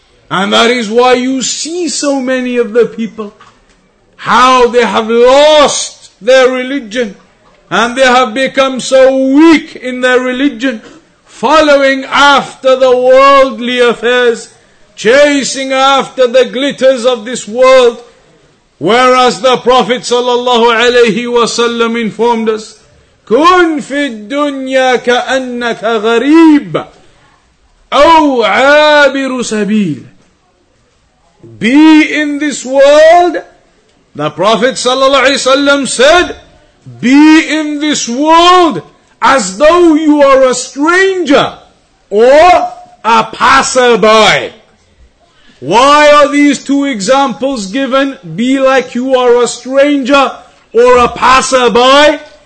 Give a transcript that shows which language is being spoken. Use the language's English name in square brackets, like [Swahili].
[English] And that is why you see so many of the people, how they have lost their religion and they have become so weak in their religion, following after the worldly affairs, chasing after the glitters of this world. Whereas the Prophet sallallahu alaihi wasallam informed us, [Arabic] كن في الدنيا كأنك غريب أو عابر سبيل. [English] Be in this world, the Prophet sallallahu alaihi wasallam said, be in this world as though you are a stranger or a passerby. Why are these two examples given? Be like you are a stranger or a passerby.